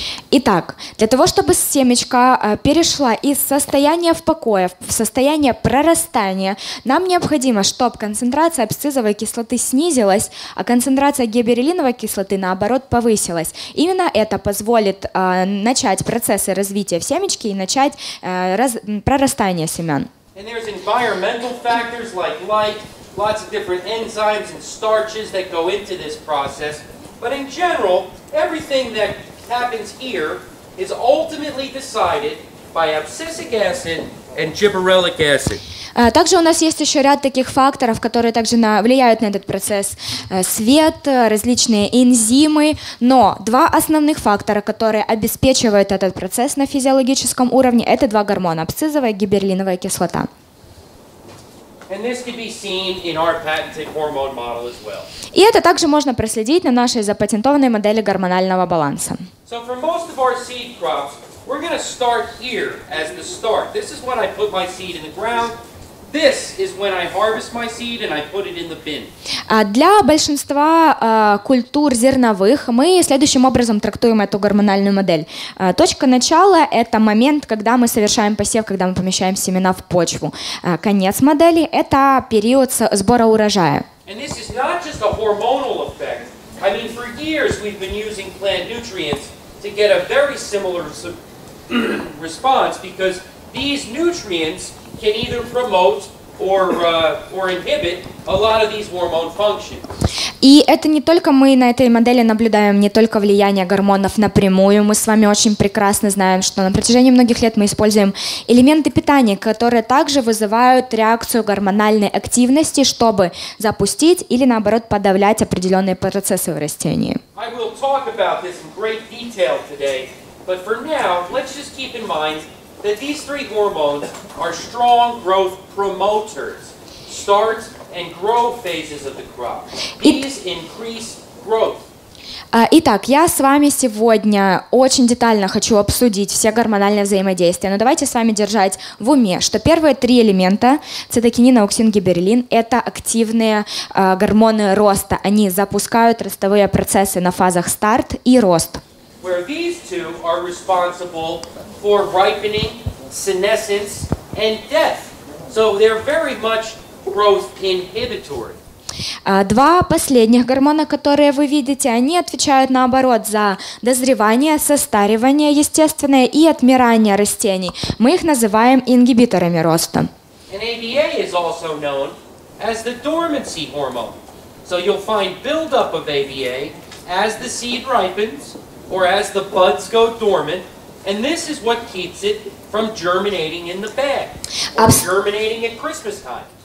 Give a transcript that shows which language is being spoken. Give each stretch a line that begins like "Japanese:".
Russian: Итак, для того, чтобы семечка перешла из состояния в покое в состояние прорастания, нам необходимо, чтобы концентрация абсцизовой кислоты снизилась, а концентрация гиберилиновой кислоты, наоборот, повысилась. Именно это позволит начать процессы развития в семечке и начать прорастание семян.
English: And there's environmental factors like light, lots of different enzymes and starches that go into this process. But in general, everything that happens here is ultimately decided by abscisic acid and gibberellic acid.
Russian: Также у нас есть еще ряд таких факторов, которые также влияют на этот процесс. Свет, различные энзимы. Но два основных фактора, которые обеспечивают этот процесс на физиологическом уровне, это два гормона – абсцизовая и гиберилиновая кислота.
English: And this can be seen in our patented hormone model as well.
Russian: И это также можно проследить на нашей запатентованной модели гормонального баланса.
English: So for most of our seed crops, We're going to start here as the start. This is when I put my seed in the ground. This is when I harvest my seed and I put it in the bin.
Russian: Для большинства культур зерновых мы следующим образом трактуем эту гормональную модель. Точка начала – это момент, когда мы совершаем посев, когда мы помещаем семена в почву. Конец модели – это период сбора урожая.
English: And this is not just a hormonal effect. I mean, for years we've been using plant nutrients to get a very similar response because these nutrients can either promote or inhibit a lot of these hormone functions.
Russian: И это не только мы на этой модели наблюдаем, не только влияние гормонов напрямую. Мы с вами очень прекрасно знаем, что на протяжении многих лет мы используем элементы питания, которые также вызывают реакцию гормональной активности, чтобы запустить или наоборот подавлять определенные процессы в растении.
English: I will talk about this in great detail today, but for now, let's just keep in mind that these three hormones are strong growth promoters. Start and grow phases of the crop. These increase growth.
Russian: Итак, я с вами сегодня очень детально хочу обсудить все гормональные взаимодействия. Но давайте с вами держать в уме, что первые три элемента – цитокинин, ауксин, гиберелин – это активные гормоны роста. Они запускают ростовые процессы на фазах старт и рост.
English: Where these two are responsible for ripening, senescence, and death. So they're very much growth inhibitory.
Russian: Два последних гормона, которые вы видите, они отвечают наоборот за дозревание, состаривание естественное и отмирание растений. Мы их называем ингибиторами роста.
English: And ABA is also known as the dormancy hormone. So you'll find buildup of ABA as the seed ripens or as the buds go dormant, and this is what keeps it from germinating in the bag or germinating at Christmas time.